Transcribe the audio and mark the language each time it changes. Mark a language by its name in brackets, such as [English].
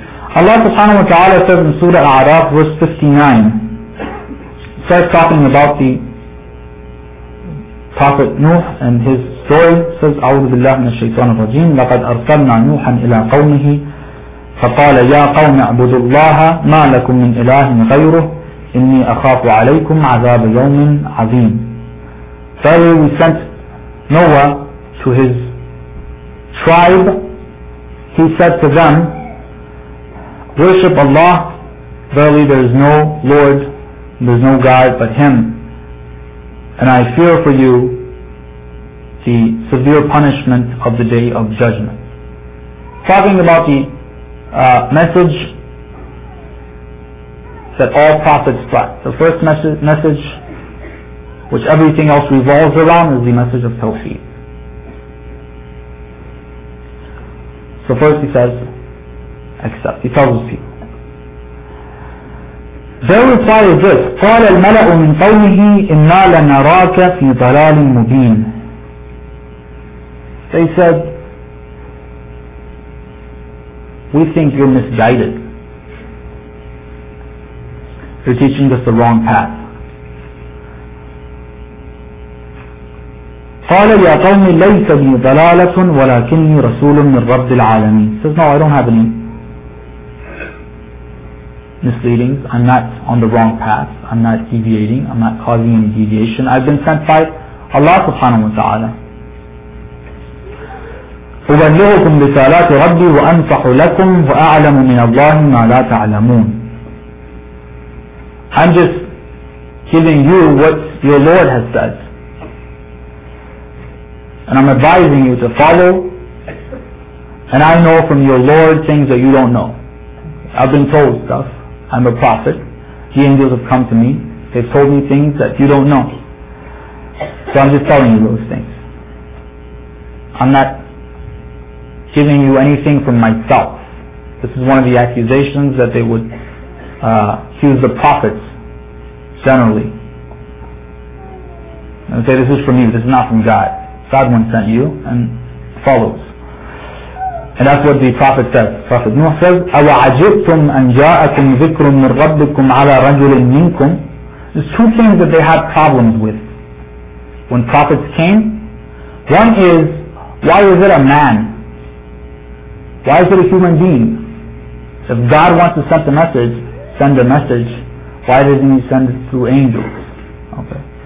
[English] Allah subhanahu wa ta'ala says in Surah Al-A'raf, verse 59, starts talking about the Prophet Nuh and his story. Says, [Arabic] أعوذ بالله من الشيطان الرجيم لقد أرسلنا نوحا إلى قومه فقال يا قوم اعبدوا الله ما لكم من إله غيره إني أخاف عليكم عذاب يوم عظيم. [English] So we sent Noah to his tribe. He said to them, worship Allah, verily there is no Lord, there is no God but Him. And I fear for you the severe punishment of the Day of Judgment. Talking about the message that all prophets brought. The first message which everything else revolves around, is the message of Tawheed. So first he says, accept. He tells his people. Their reply is this: [Arabic] قال الملأ من قومه إنا لنراك في ضلال مبين. [English] They said, we think you're misguided. You're teaching us the wrong path. [Arabic] قال يا قوم ليس بي ضلالة ولكني رسول من رب العالمين. [English] Says, no, I don't have any misleadings. I'm not on the wrong path. I'm not deviating. I'm not causing any deviation. I've been sent by Allah subhanahu wa ta'ala. [Arabic] أبلغكم رسالات ربي وأنصح لكم وأعلم من الله ما لا تعلمون. [English] I'm just giving you what your Lord has said. And I'm advising you to follow. And I know from your Lord things that you don't know. I've been told stuff. I'm a prophet. The angels have come to me. They've told me things that you don't know. So I'm just telling you those things. I'm not giving you anything from myself. This is one of the accusations that they would accuse the prophets generally. And say, this is from you, this is not from God. God once sent you, and follows. And that's what the Prophet says. Prophet Nuh says, [Arabic] أَوَعَجِبْتُمْ أَنْ جَاءَكُمْ ذِكْرٌ مِنْ رَبِّكُمْ عَلَى رَجُلٍ مِّنْكُمْ. [English] There's two things that they had problems with when prophets came. One is, why is it a man? Why is it a human being? If God wants to send a message, send a message. Why doesn't he send it through angels? Okay.